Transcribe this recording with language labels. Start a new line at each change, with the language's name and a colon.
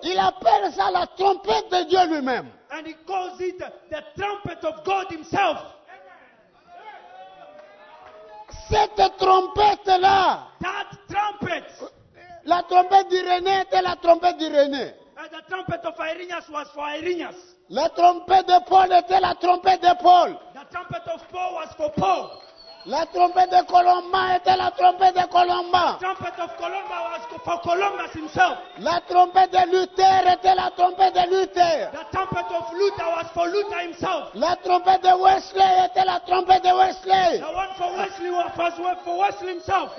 French: Il appelle ça la trompette de Dieu lui-même.
English: And he calls it the trumpet of God himself.
French: Cette trompette-là.
English: That trumpet.
French: La trompette d'Irénée était la trompette d'Irénée.
English: And the trumpet of Irenaeus was for Irenaeus.
French: La trompette de Paul était la trompette de Paul.
English: The trumpet of Paul was for Paul.
French: La trompette de Columbus était la trompette de Columbus.
English: The trumpet of Columbus was for Columbus himself.
French: La trompette de Luther était la trompette de Luther.
English: The trumpet of Luther was for Luther himself.
French: La trompette de Wesley était la trompette de Wesley.
English: The one for Wesley was for Wesley himself.